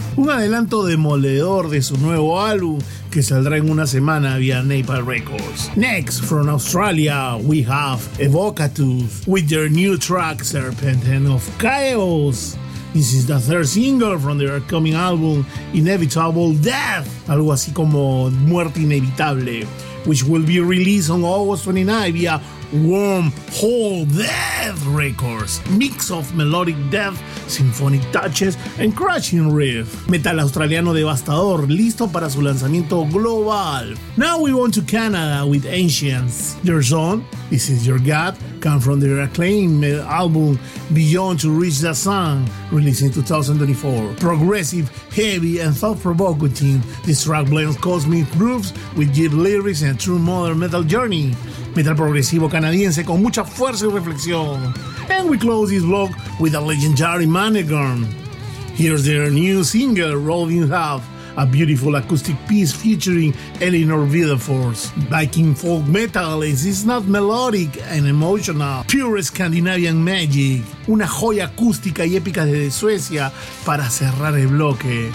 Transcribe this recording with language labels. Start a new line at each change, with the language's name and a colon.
Spanish: Un adelanto demoledor de su nuevo álbum, que saldrá en una semana via Napalm Records.
English: Next, from Australia, we have Evocatus with their new track, Serpentine of Chaos. This is the third single from their upcoming album, Inevitable Death,
Spanish: algo así como Muerte Inevitable,
English: which will be released on August 29 via Wormhole Death Records. Mix of melodic death, symphonic touches and crushing riff.
Spanish: Metal australiano devastador, listo para su lanzamiento global.
English: Now we want to Canada with Ancients. Their song, This Is Your God, come from their acclaimed album Beyond to Reach the Sun, released in 2024. Progressive, heavy and thought-provoking, this track blends cosmic grooves with deep lyrics and a true modern metal journey.
Spanish: Metal progresivo canadiense con mucha fuerza y reflexión.
English: And we close this vlog with a legendary Manegorn. Here's their new single, Rolling Half, a beautiful acoustic piece featuring Eleanor Villefort. Viking folk metal is not melodic and emotional. Pure Scandinavian magic.
Spanish: Una joya acústica y épica desde Suecia para cerrar el bloque.